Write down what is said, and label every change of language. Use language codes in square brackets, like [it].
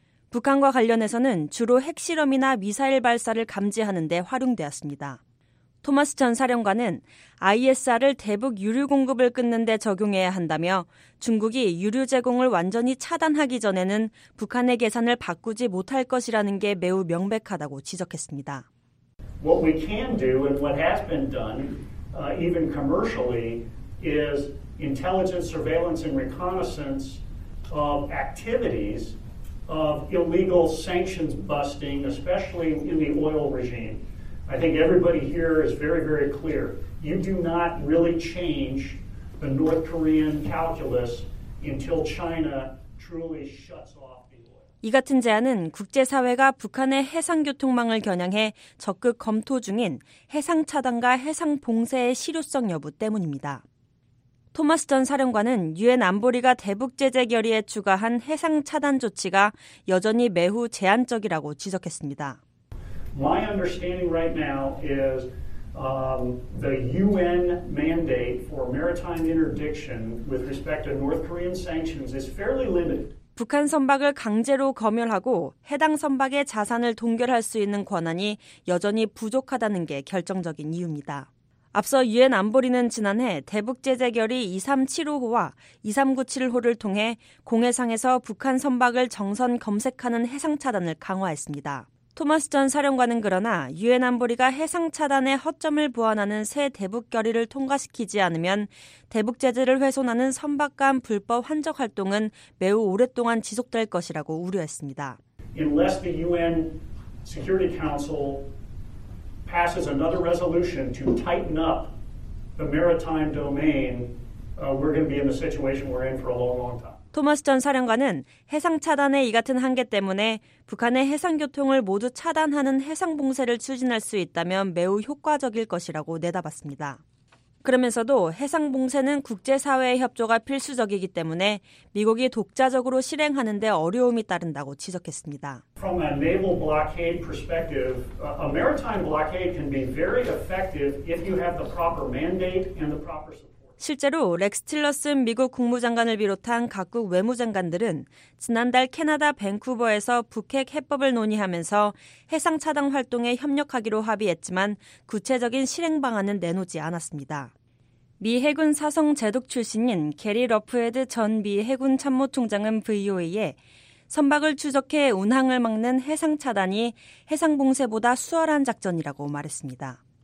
[ko] 북한과 관련해서는 주로 핵실험이나 미사일 발사를 감지하는 데 활용되었습니다. 토마스 전 사령관은 ISR을 대북 유류 공급을 끊는 데 적용해야 한다며 중국이 유류 제공을 완전히 차단하기 전에는 북한의 계산을 바꾸지 못할 것이라는 게 매우 명백하다고 지적했습니다. [en] What we can do and what has been done, even commercially, is intelligence, surveillance, and reconnaissance of activities of illegal sanctions busting, especially in the oil regime. I think everybody here is very, very clear. You do not really change the North Korean calculus until China truly shuts off. [ko] 이 같은 제안은 국제사회가 북한의 해상교통망을 겨냥해 적극 검토 중인 해상차단과 해상봉쇄의 실효성 여부 때문입니다. 토마스 전 사령관은 유엔 안보리가 대북제재 결의에 추가한 해상차단 조치가 여전히 매우 제한적이라고 지적했습니다. [en] My understanding right now is the UN mandate for maritime interdiction with respect to North Korean sanctions is fairly limited. [ko] 북한 선박을 강제로 검열하고 해당 선박의 자산을 동결할 수 있는 권한이 여전히 부족하다는 게 결정적인 이유입니다. 앞서 유엔 안보리는 지난해 대북 제재 결의 2375호와 2397호를 통해 공해상에서 북한 선박을 정선 검색하는 해상 차단을 강화했습니다. 토마스 전 사령관은 그러나 유엔 안보리가 해상 차단의 허점을 보완하는 새 대북 결의를 통과시키지 않으면 대북 제재를 훼손하는 선박 간 불법 환적 활동은 매우 오랫동안 지속될 것이라고 우려했습니다. [en] Unless the UN Security Council passes another resolution to tighten up the maritime domain, we're going to be in the situation we're in for a long, long time. [ko] 토마스 전 사령관은 해상 차단의 이 같은 한계 때문에 북한의 해상 교통을 모두 차단하는 해상 봉쇄를 추진할 수 있다면 매우 효과적일 것이라고 내다봤습니다. 그러면서도 해상 봉쇄는 국제사회의 협조가 필수적이기 때문에 미국이 독자적으로 실행하는 데 어려움이 따른다고 지적했습니다. [en] From a naval blockade perspective, a maritime blockade can be very effective if you have the proper mandate and the proper support. [ko] 실제로 렉스 틸러슨 미국 국무장관을 비롯한 각국 외무장관들은 지난달 캐나다 밴쿠버에서 북핵 해법을 논의하면서 해상 차단 활동에 협력하기로 합의했지만 구체적인 실행 방안은 내놓지 않았습니다. 미 해군 사성 제독 출신인 게리 러프헤드 전 미 해군 참모총장은 VOA에 선박을 추적해 운항을 막는 해상 차단이 해상 봉쇄보다 수월한 작전이라고 말했습니다.